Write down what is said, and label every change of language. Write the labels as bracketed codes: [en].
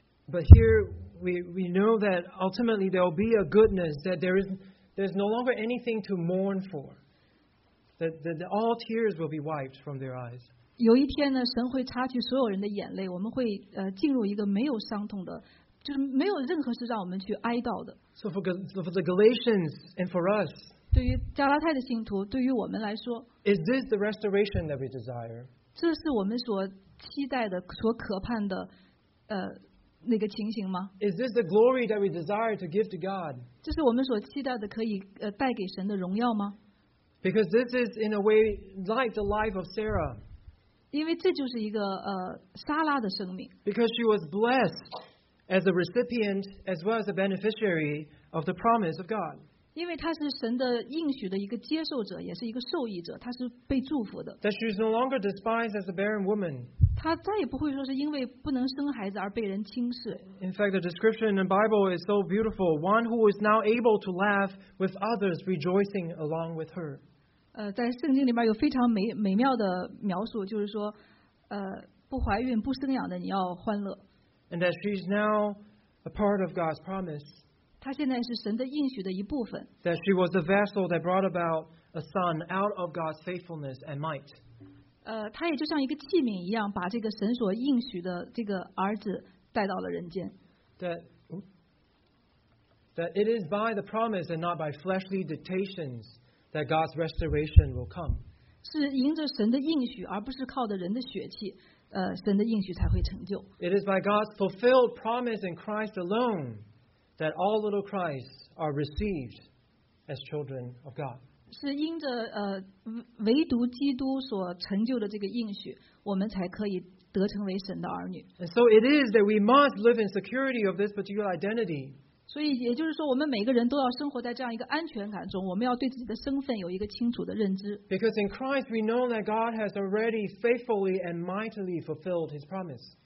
[en] But here we know that ultimately there will be a goodness, that there's no longer anything to mourn for. That all tears will be wiped from their eyes. [zh] 有一天呢，神会擦去所有人的眼泪，我们会进入一个没有伤痛的，就是没有任何事让我们去哀悼的。 [en] So for the Galatians and for us, [zh] 对于加拉太的信徒，对于我们来说， [en] is this the restoration that we desire? [zh] 这是我们所期待的，所渴盼的，那个情形吗？ [en] Is this the glory that we desire to give to God? [zh] 这是我们所期待的，可以带给神的荣耀吗？ [en] Because this is in a way like the life of Sarah. [zh] 因为这就是一个莎拉的生命。 [en] Because she was blessed as a recipient as well as a beneficiary of the promise of God. [zh] 因为她是神的应许的一个接受者，也是一个受益者，她是被祝福的。 [en] That she is no longer despised as a barren woman. [zh] 她再也不会说是因为不能生孩子而被人轻视。 [en] In fact, the description in the Bible is so beautiful. One who is now able to laugh with others, rejoicing along with her. [zh] 在圣经里面有非常 美妙的描述，就是说不怀孕不生养的你要欢乐。 [en] And that she's now a part of God's promise. [zh] 她现在是神的应许的一部分。 [en] That she was the vessel that brought about a son out of God's faithfulness and might. [zh] 她也就像一个器皿一样，把这个神所应许的这个儿子带到了人间。 [en] That it is by the promise and not by fleshly dictations. That God's restoration will come. [zh] 是迎着神的应许，而不是靠着人的血气，神的应许才会成就。 [en] It is by God's fulfilled promise in Christ alone that all little Christ are received as children of God. [zh] 是因着唯独基督所成就的这个应许，我们才可以得成为神的儿女。 [en] And so it is that we must live in security of this particular identity. [zh] 所以也就是说，我们每个人都要生活在这样一个安全感中，我们要对自己的身份有一个清楚的认知。 [en] Because in Christ we know that God has already faithfully and mightily fulfilled His promise.